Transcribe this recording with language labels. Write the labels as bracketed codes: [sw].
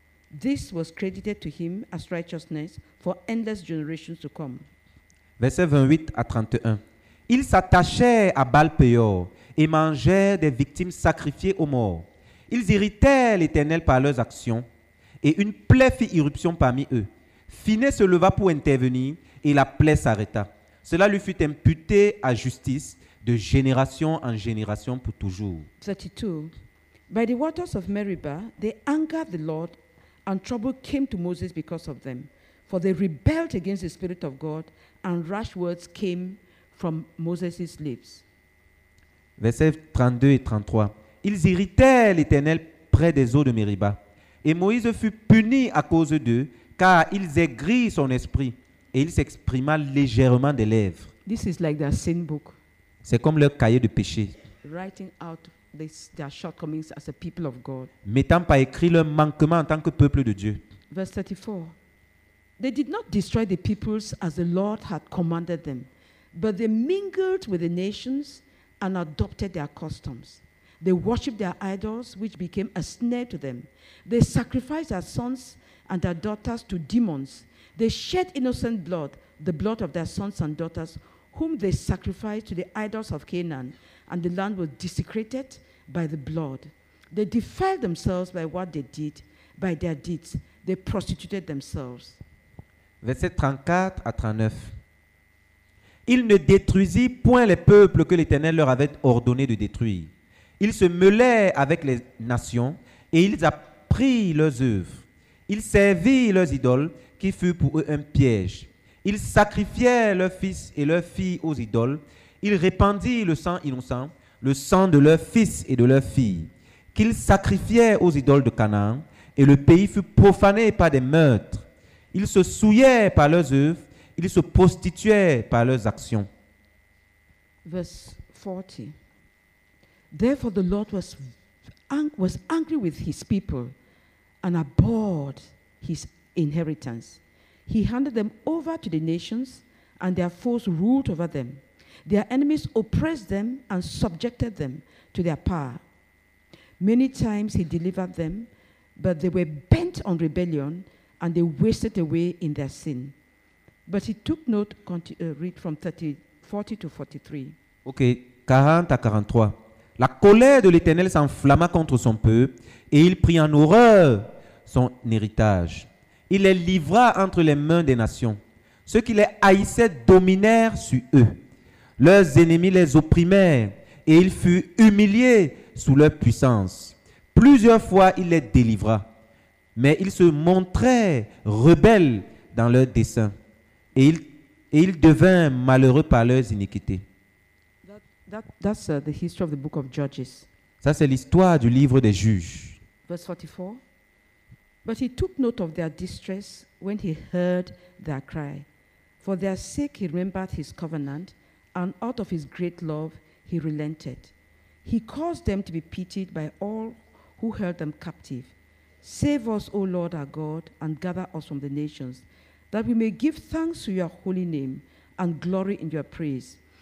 [en] This was credited to him as righteousness for endless generations to come. [fr] Verset 28 à 31. Ils s'attachèrent à Baal-Péor et mangèrent des victimes sacrifiées aux morts. Ils irritèrent l'Éternel par leurs actions et une plaie fit irruption parmi eux. Phinehas se leva pour intervenir et la plaie s'arrêta. Cela lui fut imputé à justice de génération en génération pour toujours. [en] 32. By the waters of Meribah, they angered the Lord. And trouble came to Moses because of them, for they rebelled against the Spirit of God, and rash words came from Moses' lips. [fr] Versets 32 et 33. Ils irritèrent l'Éternel près des eaux de Meriba, et Moïse fut puni à cause d'eux, car ils aigrirent son esprit, et il s'exprima légèrement des lèvres. [en] This is like their sin book. [fr] C'est comme leur cahier de péché. [en] Writing out. Their shortcomings as a people of God. [fr] Mettant par écrit leur manquement en tant que peuple de Dieu. [en] Verse 34. They did not destroy the peoples as the Lord had commanded them, but they mingled with the nations and adopted their customs. They worshipped their idols, which became a snare to them. They sacrificed their sons and their daughters to demons. They shed innocent blood, the blood of their sons and daughters, whom they sacrificed to the idols of Canaan. And the land was desecrated by the blood. They defiled themselves by what they did, by their deeds. They prostituted themselves. [fr] Verset 34 à 39. Ils ne détruisirent point les peuples que l'Éternel leur avait ordonné de détruire. Ils se mêlèrent avec les nations et ils, app- prirent leurs œuvres. Ils servirent leurs idoles, qui furent pour eux un piège. Ils sacrifièrent leurs fils et leurs filles aux idoles. Ils répandirent le sang innocent, le sang de leurs fils et de leurs filles, qu'ils sacrifièrent aux idoles de Canaan, et le pays fut profané par des meurtres. Ils se souillèrent par leurs œuvres, ils se prostituèrent par leurs actions. [en] Verse 40. Therefore the Lord was angry with his people and abhorred his inheritance. He handed them over to the nations, and their foes ruled over them. Their enemies oppressed them and subjected them to their power. Many times he delivered them, but they were bent on rebellion and they wasted away in their sin. But he took note, read from 40 to 43. [fr] Ok, 40 à 43. La colère de l'Éternel s'enflamma contre son peuple et il prit en horreur son héritage. Il les livra entre les mains des nations. Ceux qui les haïssaient dominèrent sur eux. Leurs ennemis les opprimèrent et ils furent humiliés sous leur puissance. Plusieurs fois, il les délivra, mais ils se montraient rebelles dans leurs desseins et ils devinrent malheureux par leurs iniquités. [en] That's the history of the book of Judges. [fr] Ça, c'est l'histoire du livre des juges. [en] Verse 44. But he took note of their distress when he heard their cry. For their sake, he remembered his covenant. And out of his great love, he relented. He caused them to be pitied by all who held them captive. Save us, O Lord our God, and gather us from the nations, that we may give thanks to your holy name and glory in your praise.